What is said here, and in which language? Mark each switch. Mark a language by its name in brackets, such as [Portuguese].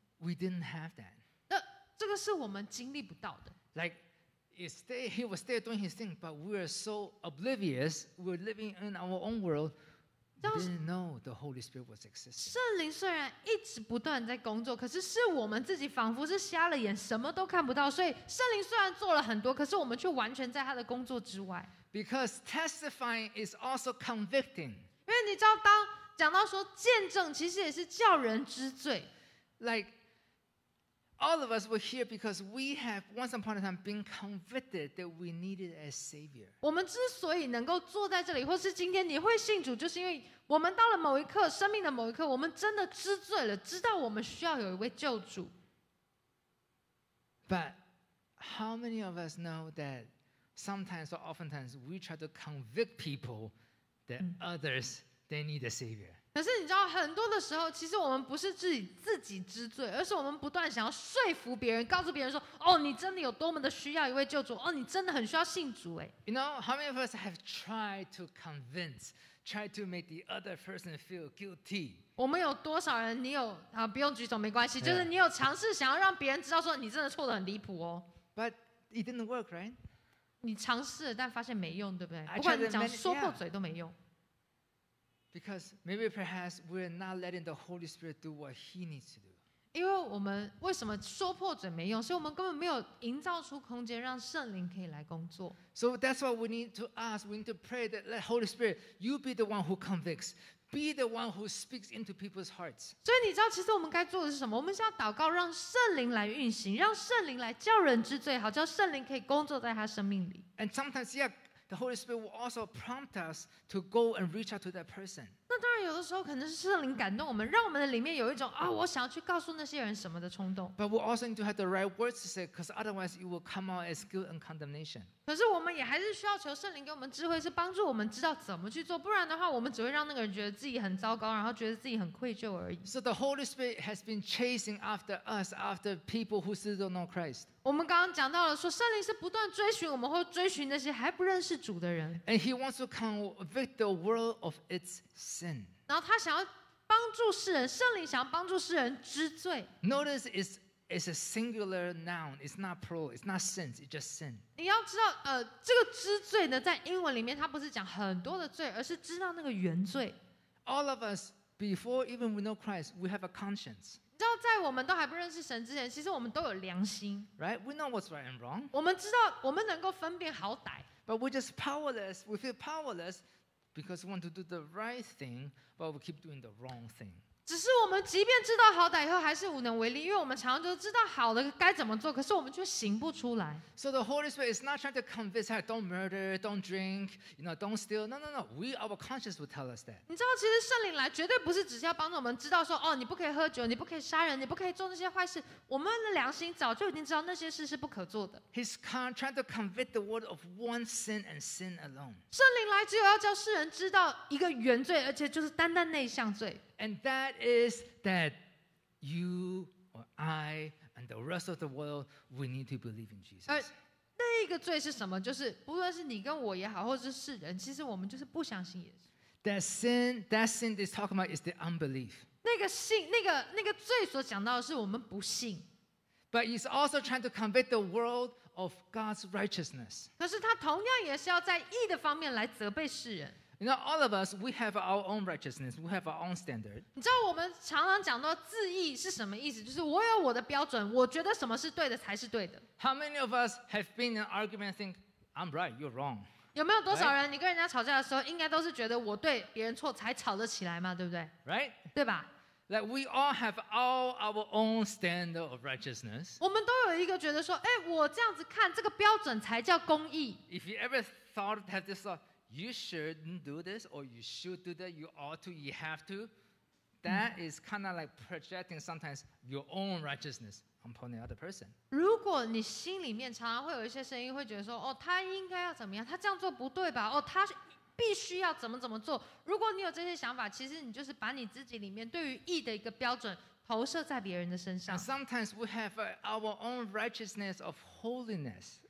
[English] we didn't have that. [Chinese] 那这个是我们经历不到的。 [English] Like,he was there doing his thing, but we were so oblivious, we were living in our own world,Didn't know the Holy Spirit was existing. [Chinese] 圣灵虽然一直不断在工作，可是是我们自己仿佛是瞎了眼，什么都看不到。所以圣灵虽然做了很多，可是我们却完全在他的工作之外。 [English] Because testifying is also convicting. [Chinese] 因为你知道，当讲到说见证，其实也是叫人知罪。 [English] Like all of us were here because we have once upon a time been convicted that we needed a savior. [Chinese] 我们之所以能够坐在这里，或是今天你会信主，就是因为我们到了某一刻，生命的某一刻，我们真的知罪了，知道我们需要有一位救主。 [English] But how many of us know that sometimes or oftentimes we try to convict people that others they need a savior? [Chinese] 可是你知道，很多的时候，其实我们不是自己知罪，而是我们不断想要说服别人，告诉别人说：“哦，你真的有多么的需要一位救主，哦，你真的很需要信主。” 哎 [English] ，You know how many of us have tried to convince, tried to make the other person feel guilty？ [Chinese] 我们有多少人？你有啊？不用举手，没关系，就是你有尝试想要让别人知道说你真的错得很离谱哦。 [English] But it didn't work, right？ [Chinese] 你尝试了，但发现没用，对不对？不管你讲说破嘴都没用。 [English] Because maybe perhaps we're not letting the Holy Spirit do what He needs to do. [Chinese] 因为我们为什么说破嘴没用？所以我们根本没有营造出空间让圣灵可以来工作。 [English] So that's what we need to ask. We need to pray that let Holy Spirit, you be the one who convicts, be the one who speaks into people's hearts. [Chinese] 所以你知道，其实我们该做的是什么？我们是要祷告，让圣灵来运行，让圣灵来叫人知罪，好叫圣灵可以工作在他生命里。 [English] And sometimes, yeah. The Holy Spirit will also prompt us to go and reach out to that person. [Chinese] 那当然，有的时候可能是圣灵感动我们，让我们的里面有一种啊，我想要去告诉那些人什么的冲动。 [English] But we also need to have the right words to say, because otherwise it will come out as guilt and condemnation. [Chinese] 可是我们也还是需要求圣灵给我们智慧，是帮助我们知道怎么去做。不然的话，我们只会让那个人觉得自己很糟糕，然后觉得自己很愧疚而已。 [English] So the Holy Spirit has been chasing after us, after people who still don't know Christ. [Chinese] 我们刚刚讲到了说，圣灵是不断追寻我们，或追寻那些还不认识主的人。 [English] And He wants to convict the world of its sin. sin. [Chinese] 然后他想要帮助世人，圣灵想要帮助世人知罪。 [English] Notice it's a singular noun. It's not plural. It's not sins. It's just sin. [Chinese] 你要知道，这个知罪呢，在英文里面，它不是讲很多的罪，而是知道那个原罪。 [English] All of us, before even we know Christ, we have a conscience. [Chinese] 你知道在我们都还不认识神之前，其实我们都有良心。 [English] Right? We know what's right and wrong. [Chinese] 我们知道，我们能够分辨好歹。 [English] But we're just powerless. We feel powerless because we want to do the right thing, but we keep doing the wrong thing. [Chinese] 只是我们即便知道好歹以后，还是无能为力，因为我们常常就知道好的该怎么做，可是我们却行不出来。 [English] So the Holy Spirit is not trying to convince us, don't murder, don't drink, you know, don't steal. No, no, no. We, our conscience will tell us that. [Chinese] 你知道，其实圣灵来绝对不是只是要帮助我们知道说，哦，你不可以喝酒，你不可以杀人，你不可以做那些坏事。我们的良心早就已经知道那些事是不可做的。 [English] He's trying to convict the world of one sin and sin alone. [Chinese] 圣灵来只有要叫世人知道一个原罪，而且就是单单那一项罪。 [English] And that is that you or I. And the rest of the world, we need to believe in Jesus. [Chinese] 那个罪是什么？就是不论是你跟我也好，或者是世人，其实我们就是不相信耶稣。 [English] That sin they're talking about is the unbelief. [Chinese] 那个罪所讲到的是我们不信。 [English] But he's also trying to convict the world of God's righteousness. [Chinese] 可是他同样也是要在义的方面来责备世人。 [English] You know, all of us, we have our own righteousness. We have our own standard. [Chinese] 你知道我们常常讲到自义是什么意思？就是我有我的标准，我觉得什么是对的才是对的。 [English] How many of us have been in an argument, think I'm right, you're wrong? [Chinese] 有没有多少人你跟人家吵架的时候，应该都是觉得我对，别人错才吵得起来嘛，对不对 [English] ？Right? [Chinese] 对吧 [English] ？Like we all have our own standard of righteousness. [Chinese] 我们都有一个觉得说，哎，我这样子看这个标准才叫公义。 [English] If you ever thought that this thought. You shouldn't do this, or you should do that. You ought to. You have to. That is kind of like projecting sometimes your own righteousness upon the other person. [Chinese] 如果你心里面常常会有一些声音，会觉得说，哦，他应该要怎么样？他这样做不对吧？哦，他必须要怎么怎么做？如果你有这些想法，其实你就是把你自己里面对于义的一个标准投射在别人的身上。 [English] And sometimes we have our own righteousness of holiness.